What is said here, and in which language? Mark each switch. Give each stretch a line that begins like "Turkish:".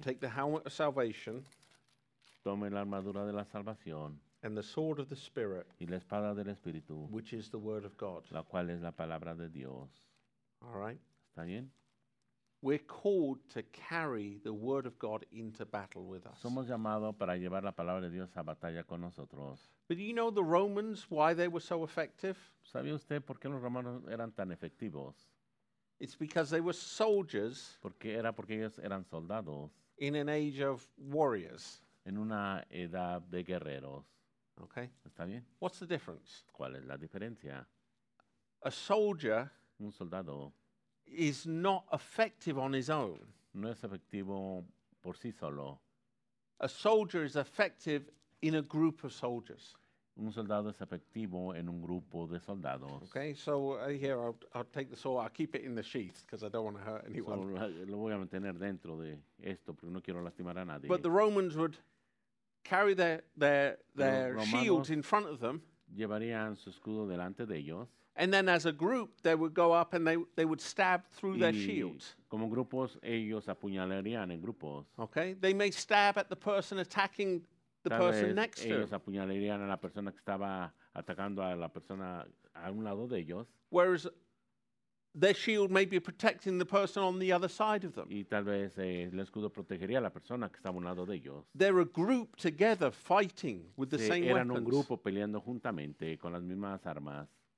English: take the helmet of salvation,
Spanish: tome la armadura de la salvación,
English: and the sword of the Spirit,
Spanish: y la espada del Espíritu,
English: which is the word of God.
Spanish: La cual es la palabra de Dios.
English: All right.
Spanish: ¿Está bien?
English: We're called to carry the word of God into battle with us.
Spanish: Somos llamados para llevar la palabra de Dios a batalla con nosotros.
English: But do you know the Romans, why they were so effective?
Spanish: ¿Sabía usted por qué los romanos eran tan efectivos?
English: It's because they were soldiers.
Spanish: Porque ellos eran soldados.
English: In an age of warriors.
Spanish: En una edad de guerreros.
English: Okay.
Spanish: ¿Está bien?
English: What's the difference?
Spanish: ¿Cuál es la diferencia?
English: A soldier,
Spanish: un soldado,
English: is not effective on his own.
Spanish: No es efectivo por sí solo.
English: A soldier is effective in a group of soldiers.
Spanish: Un soldado es efectivo en un grupo de soldados.
English: Okay, so here I'll take the sword. I'll keep it in the sheath because I don't want to hurt anyone. So,
Spanish: lo voy a mantener dentro de esto porque no quiero lastimar a nadie.
English: But the Romans would carry their shields in front of them.
Spanish: Llevarían su escudo delante de ellos.
English: And then as a group, they would go up and they would stab through
Spanish: y
English: their shields.
Spanish: Como grupos, ellos apuñalarían en grupos.
English: Okay, they may stab at the person attacking the
Spanish: tal
English: person next to.
Spanish: Ellos apuñalarían a la persona que estaba atacando a la persona a un lado de ellos.
English: Whereas their shield may be protecting the person on the other side of them.
Spanish: Y tal vez el escudo protegería a la persona que estaba a un lado de ellos.
English: They're a group together fighting with the same
Spanish: eran
English: weapons.
Spanish: Eran un grupo peleando juntamente con las mismas armas.